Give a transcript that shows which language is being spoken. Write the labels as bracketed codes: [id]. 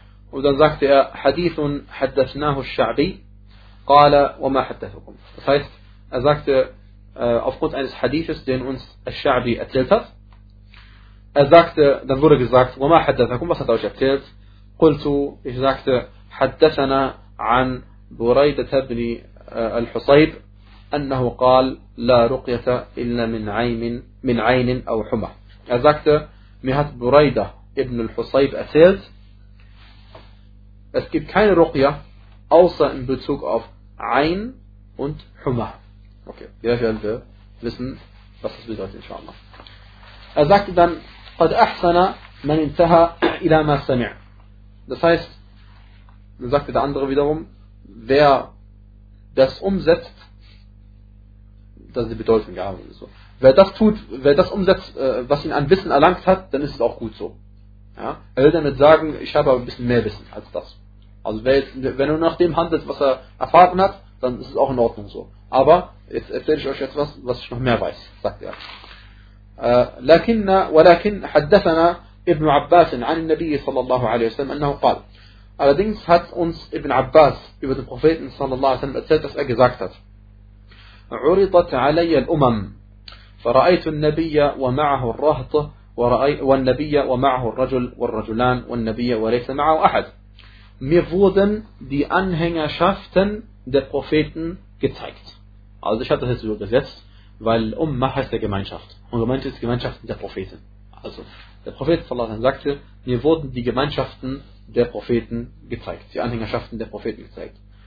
[de] Und dann sagte er, [ar] hadithun haddathnahu al-sha'bi. Qala wama haddathukum. [de] Das heißt, er sagte, aufgrund eines Hadithes, den uns al-sha'bi erzählt hat, er sagte, dann wurde gesagt, [ar] وما حدثكم, [de] was hat er euch erzählt? [ar] Qultu, [de] ich sagte, [ar] حدثنا عن بريدة بن الحصيب أنه قال لا رقية إلا من عين أو حمى. [de] Er sagte, mir hat Bureida ibn al-Husayb erzählt, es gibt keine Ruqya außer in Bezug auf Ein und Humma. Okay, wir werden wissen, was das bedeutet, inshallah. Er sagte dann, [ar] قد أحسن من انتهى إلى ما سمع. [de] Das heißt, dann sagte der andere wiederum, wer das umsetzt, das ist die Bedeutung, ja, so. Wer das umsetzt, was ihn an Wissen erlangt hat, dann ist es auch gut so. Ja? Er will damit sagen, ich habe aber ein bisschen mehr Wissen als das. Also wenn er nach dem handelt, was er erfahren hat, dann ist es auch in Ordnung so. Aber jetzt erzähle ich euch etwas, was ich noch mehr weiß, sagt er. [ar] ولكن حدثنا ابن عباس عن النبي صلى الله عليه وسلم أنه قال. [de] Allerdings hat uns [ar] ابن عباس [de] über den Propheten [ar] صلى الله عليه وسلم [de] erzählt, dass er gesagt hat: [ar] عرضت علي الأمم فرأيت النبي ومعه الرهط والنبي ومعه الرجل والرجلان والنبي وليس معه أحد. [de] Mir wurden die Anhängerschaften der Propheten gezeigt. Also ich hatte das übersetzt, weil Ummah heißt der Gemeinschaft. Und gemeint ist die Gemeinschaft der Propheten. Also, der Prophet sagte, mir wurden die Gemeinschaften der Propheten gezeigt, die Anhängerschaften der Propheten gezeigt.